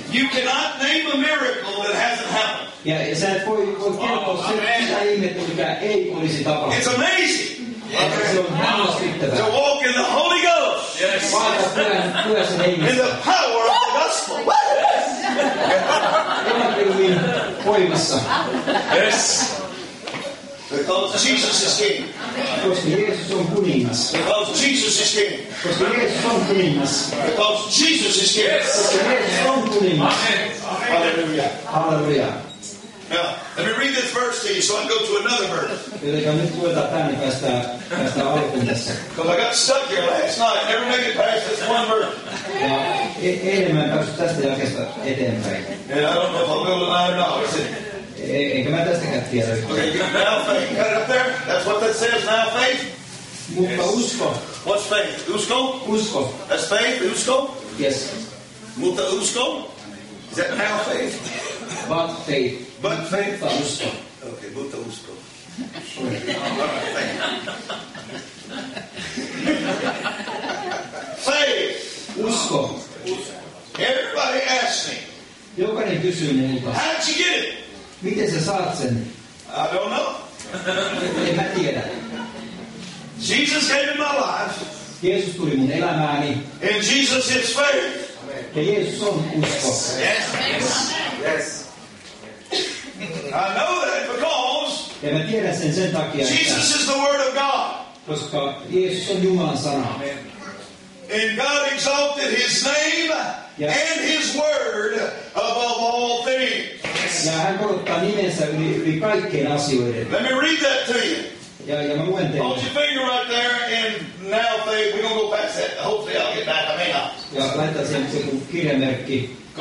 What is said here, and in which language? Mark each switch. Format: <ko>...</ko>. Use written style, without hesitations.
<en>You cannot name a miracle that hasn't happened.</en> <fi>Ja sä et voi kertoa sitä ihmettä, mikä ei olisi tapahtunut.</fi> <en>It's amazing.</en> <fi>Yes. Se on hämmästyttävää.</fi> <en>To walk in the Holy Ghost. Yes.</en> <fi>Vaata pyhässä hengessä.</fi> <en>In the power of the gospel. Yes.</en> <fi>Evankeliumin voimassa.</fi> <en>Yes. Because Jesus is King.</en> <fi>Koska Jeesus on kuningas.</fi> <en>Because Jesus is King.</en> <fi>Koska Jeesus on kuningas.</fi> <en>Because Jesus is King.</en> <fi>Koska Jeesus on kuningas.</fi> <en>Hallelujah. Hallelujah. Now, let me read this verse to you so I can go to another verse.</en> <fi>Eli nyt luetaan tänne tästä alkuperäisestä.</fi> <en>Because I got stuck here last night. Never make it past this one verse.</en> <fi>Ja eilen mä en päässyt tästä jakeesta eteenpäin.</fi> <en>And I don't know if I'll go to another verse.</en> <fi>Enkä mä tästäkään tiedä.</fi> <en>Okay, now faith, cut it up there. That's what that says, now faith.</en> <fi>Mutta yes. Usko.</fi> <en>What's faith? Usko?</en> <fi>Usko.</fi> <en>That's faith, usko? Yes.</en> <fi>Mutta usko?</fi> <en>Is that now faith? But faith. But faith?</en> <fi>Mutta usko. Okay, mutta usko.</fi> <en>Faith.</en> <fi>Usko.</fi> <en>Everybody ask me.</en> <fi>Jokainen kysyy minulta.</fi> <en>How'd you get it?</en> <fi>Miten sä saat sen?</fi> <en>I don't know.</en> <fi>En mä tiedä.</fi> <en>Jesus came in my life.</en> <fi>Jeesus tuli mun elämääni.</fi> <en>And Jesus is faith.</en> <fi>Ja Jeesus on usko.</fi> <en>Yes. Yes. I know that because.</en> <fi>Ja mä tiedän sen takia.</fi> <en>Jesus is the word of God.</en> <fi>Koska Jeesus on Jumalan sana.</fi> <en>Amen. And God exalted his name and his word above all things.</en> <fi>Ja hän korottaa nimensä yli kaikkien asioiden.</fi> <en>Let me read that to you.</en> <fi>Ja mä luen teille.</fi> <en>Hold your finger right there and now faith. We're going to go past that. Hopefully I'll get back. I may not.</en> <fi>Ja laita sen kirjamerkki.</fi>